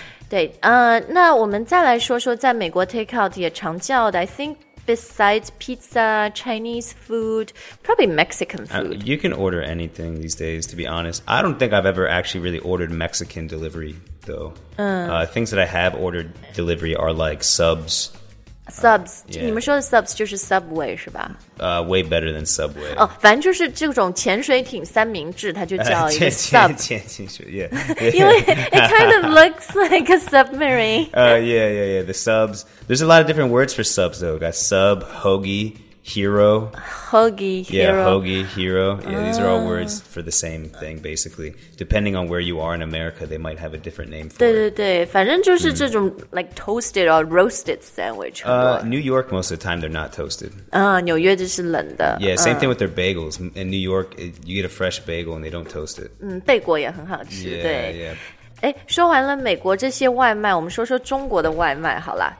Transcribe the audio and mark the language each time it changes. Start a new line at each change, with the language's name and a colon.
Chinese: 对那我们再来说说在美国 takeout 也常叫的
English: I thinkBesides pizza, Chinese food, probably Mexican food. You can order anything these days, to be honest. I don't think I've ever actually really ordered Mexican delivery, though. Things that I have ordered delivery are like subs.
Chinese: Subs. 你们说的 subs 就是 Subway, 是吧?
English: Way better than Subway.
Chinese: 反正就是这种潜水艇三明治它就叫一个 sub. 潜水艇,
English: yeah.
Chinese: 因为
English: it kind of looks like a submarine. The subs. There's a lot of different words for subs, though. We've got sub, hoagie, hero. Hoagie, yeah, hero. Yeah, hoagie, hero. Yeah, these are all words for the same thing, basically. Depending on where you are in America, they might have a different name for
Chinese: 对对对对对，反正就是这种、
English: like toasted or roasted sandwich. New York, most of the time, they're not toasted.
Chinese: 纽约就是冷的。
English: Yeah, same thing with their bagels. In New York, you get a fresh bagel and they don't toast it.
Chinese: 贝果也很好吃
English: yeah,
Chinese: 对。
English: Yeah.
Chinese: 哎，说完了美国这些外卖，我们说说中国的外卖好了。